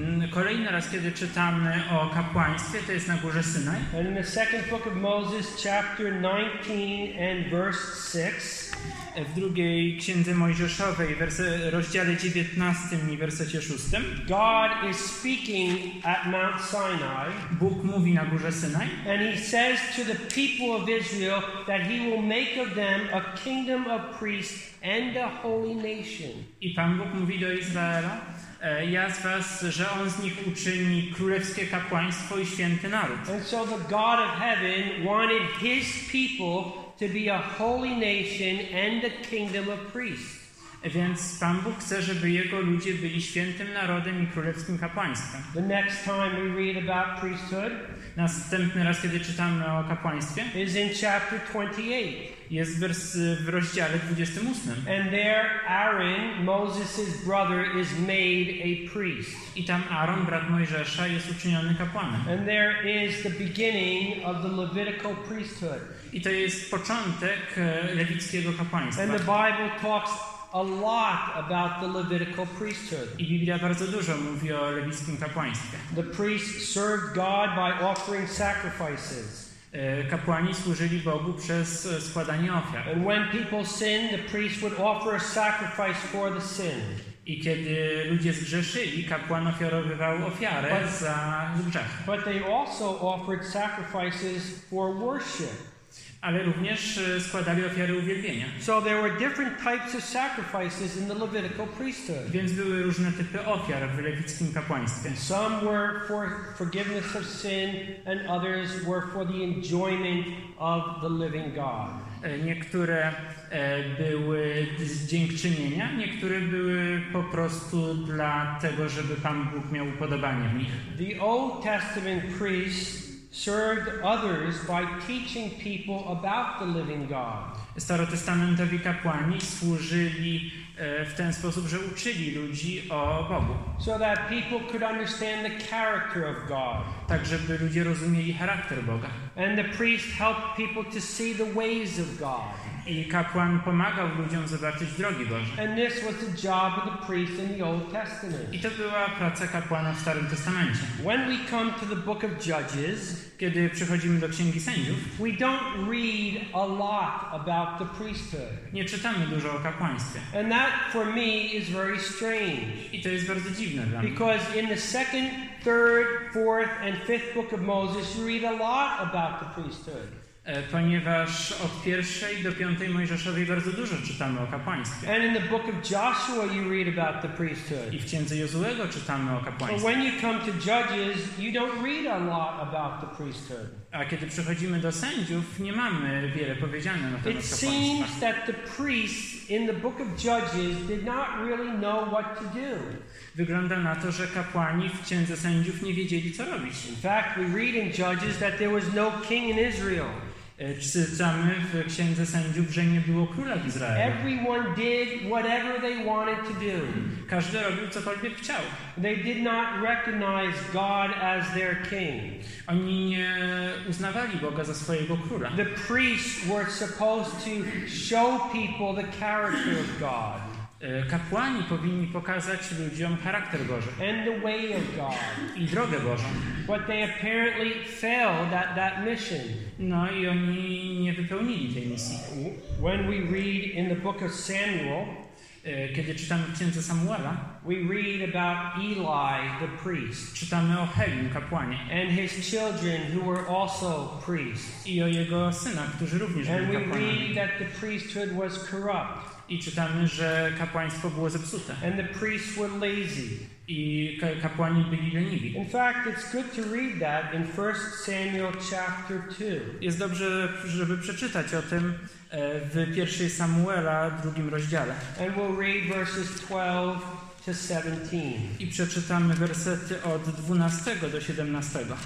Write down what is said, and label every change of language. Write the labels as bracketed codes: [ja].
[pl] Kolejny raz, kiedy czytamy o kapłaństwie, to jest na Górze Synaj. [en] And in the second book of Moses, chapter 19 and verse 6. [pl] W drugiej księdze Mojżeszowej, rozdziale 19 i wersecie 6. [en] God is speaking at Mount Sinai. [pl] Bóg mówi na Górze Synaj. [en] And he says to the people of Israel that he will make of them a kingdom of priests and a holy nation. [pl] I Pan Bóg mówi do Izraela, ja z was, że on z nich uczyni królewskie kapłaństwo i święty naród. [en] And so the God of heaven wanted his people to be a holy nation and a kingdom of priests. [pl] Więc Pan Bóg chce, żeby jego ludzie byli świętym narodem i królewskim kapłaństwem. [en] The next time we read about priesthood, [pl] następny raz, kiedy czytamy o kapłaństwie, [en] is in chapter 28. [pl] Jest w rozdziale 28. [en] And there Aaron, Moses' brother, is made a priest. [pl] I tam Aaron, brat Mojżesza, jest uczyniony kapłanem. [en] And there is the beginning of the Levitical priesthood. [pl] I to jest początek lewickiego kapłaństwa. [en] And the Bible talks a lot about the Levitical priesthood. [pl] I Biblia bardzo dużo mówi o lewickim kapłaństwie. [en] The priests served God by offering sacrifices. [pl] Kapłani służyli Bogu przez składanie ofiar. [en] And when people sinned, the priest would offer a sacrifice for the sin. [pl] I kiedy ludzie zgrzeszyli, kapłan ofiarowywał ofiarę za grzech. [en] But they also offered sacrifices for worship. [pl] Ale również składali ofiary uwielbienia. [en] So there were different types of sacrifices in the Levitical priesthood. [pl] Więc były różne typy ofiar w lewickim kapłaństwie. [en] Some were for forgiveness of sin, and others were for the enjoyment of the living God. [pl] Niektóre były z dziękczynienia, niektóre były po prostu dla tego, żeby Pan Bóg miał upodobanie w nich. [en] The Old Testament priests served others by teaching people about the living God. [pl] Starotestamentowi kapłani służyli w ten sposób, że uczyli ludzi o Bogu. [en] So that people could understand the character of God. [pl] Tak, żeby ludzie rozumieli charakter Boga. [en] And the priest helped people to see the ways of God. [pl] I kapłan pomagał ludziom zobaczyć drogi Boże. [en] And this was the job of the priest in the Old Testament. [pl] I to była praca kapłana w Starym Testamencie. [en] When we come to the book of Judges, [pl] kiedy przechodzimy do Księgi Sędziów, [en] we don't read a lot about the priesthood. [pl] Nie czytamy dużo o kapłaństwie. [en] And that for me is very strange. [pl] I to jest bardzo dziwne dla mnie. [en] Because in the second, third, fourth and fifth book of Moses, you read a lot about the priesthood. [pl] Ponieważ od pierwszej do piątej Mojżeszowej bardzo dużo czytamy o kapłaństwie. [en] And in the book of Joshua you read about the priesthood. [pl] I w księdze Jozuego czytamy o kapłaństwie. [en] But when you come to Judges, you don't read a lot about the priesthood. [pl] A kiedy przechodzimy do sędziów, nie mamy wiele powiedziane na temat kapłaństwa. [en] It seems that the priests in the book of Judges did not really know what to do. [pl] Wygląda na to, że kapłani w księdze sędziów nie wiedzieli, co robić. [en] In fact, we read in Judges that there was no king in Israel. [pl] Czytamy w księdze sędziów, że nie było króla w Izraelu. [en] Everyone did whatever they wanted to do. [pl] Każdy robił cokolwiek chciał. [en] They did not recognize God as their king. [pl] Oni nie uznawali Boga za swojego króla. [en] The priests were supposed to show people the character of God. [pl] Kapłani powinni pokazać ludziom charakter Boży. [en] And the way of God. [pl] I drogę Bożą. [en] But they apparently failed at that mission. [pl] No i oni nie wypełnili tej misji. [en] When we read in the book of Samuel, [pl] kiedy czytamy w księdze Samuela, [en] we read about Eli, the priest, [pl] czytamy o Helim, kapłanie, [en] and his children who were also priests. [pl] I o jego synach, którzy również [en] and [pl] byli kapłanami. [en] And we read that the priesthood was corrupt. [pl] I czytamy, że kapłaństwo było zepsute. [en] And the priests were lazy. [pl] I kapłani byli leniwi. [en] In fact, it's good to read that in 1 Samuel chapter 2. [pl] Jest dobrze, żeby przeczytać o tym w 1 Samuela, drugim rozdziale. [en] And we'll read verses 12 to 17. [pl] I przeczytamy wersety od 12 do 17.